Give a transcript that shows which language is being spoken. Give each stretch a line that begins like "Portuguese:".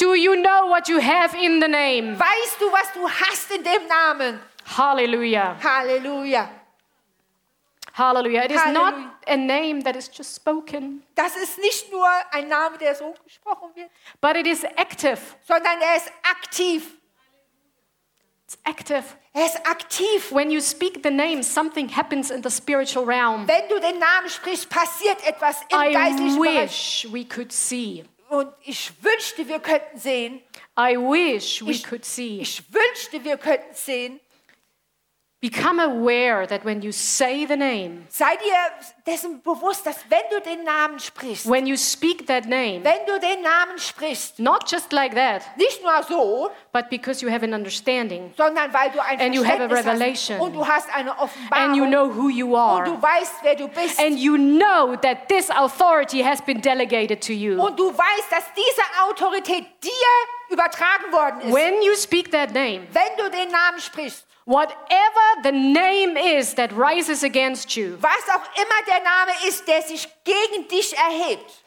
English: Do you know what you have in the name?
German: Weißt du, was du hast in dem Namen? Hallelujah. Hallelujah. Hallelujah.
English: It is not a name that is just spoken.
German: Das ist nicht nur ein Name, der so gesprochen wird.
English: But it is active.
German: Sondern er ist aktiv.
English: It's active.
German: Er ist aktiv.
English: When you speak the name, something happens in the spiritual realm.
German: Wenn du den Namen sprichst, passiert etwas im geistlichen Bereich.
English: I wish we could see.
German: Und ich wünschte, wir könnten sehen.
English: I wish we could see.
German: Ich wünschte, wir könnten sehen.
English: Become aware that when you say the name,
German: sei dir dessen bewusst, dass wenn du den Namen sprichst,
English: when you speak that name,
German: wenn du den Namen sprichst,
English: not just like that,
German: nicht nur so,
English: but because you have an understanding,
German: sondern weil du ein Verständnis
English: and you have a revelation,
German: hast und du hast eine Offenbarung,
English: and you know who you are,
German: und du weißt, wer du bist,
English: and you know that this authority has been delegated to you,
German: und du weißt, dass diese Autorität dir übertragen worden ist.
English: When you speak that name,
German: wenn du den Namen sprichst,
English: whatever the name is that rises against you,
German: was auch immer der Name ist, der sich gegen dich erhebt,